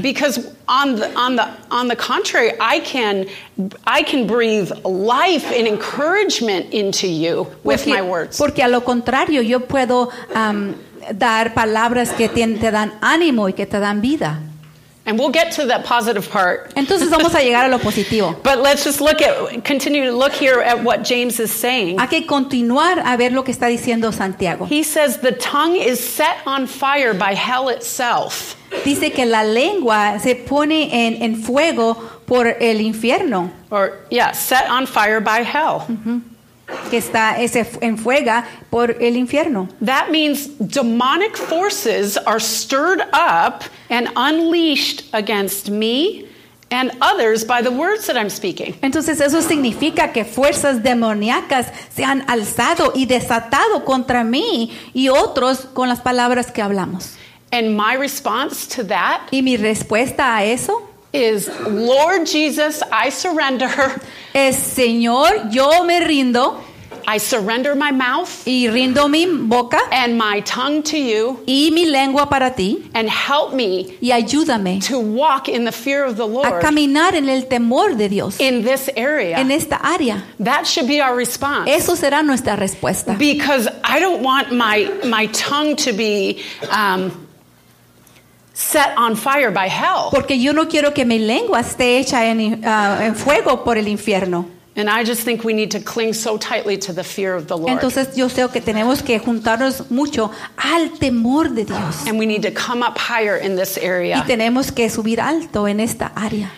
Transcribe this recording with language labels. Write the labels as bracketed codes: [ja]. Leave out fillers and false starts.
[en] Because on the contrary, I can breathe life and encouragement into you with my words. [es] Porque a lo contrario, yo puedo dar palabras que te dan ánimo y que te dan vida. [en] And we'll get to the positive part. [es] Entonces vamos a llegar a lo positivo. [en] But let's just continue to look here at what James is saying. [es] Hay que continuar a ver lo que está diciendo Santiago. [en] He says the tongue is set on fire by hell itself. [es] Dice que la lengua se pone en fuego por el infierno. [en] Set on fire by hell. Uh-huh. [es] Que está ese en fuego por el infierno. [en] That means demonic forces are stirred up and unleashed against me and others by the words that I'm speaking. [es] Entonces eso significa que fuerzas demoníacas se han alzado y desatado contra mí y otros con las palabras que hablamos. [en] And my response to that, [es] y mi respuesta a eso, [en] is Lord Jesus, I surrender. [es] Es Señor, yo me rindo. [en] I surrender my mouth. [es] Y rindo mi boca. [en] And my tongue to you. [es] Y mi lengua para ti. [en] And help me. [es] Y ayúdame. [en] To walk in the fear of the Lord. [es] A caminar en el temor de Dios. [en] In this area. [es] En esta área. [en] That should be our response. [es] Eso será nuestra respuesta. [en] Because I don't want my tongue to be set on fire by hell. [es] Porque yo no quiero que mi lengua esté hecha en fuego por el infierno. [en] And I just think we need to cling so tightly to the fear of the Lord. [es] Entonces yo creo que tenemos que juntarnos mucho al temor de Dios. [en] And we need to come up higher in this area. [es] Y tenemos que subir alto en esta área.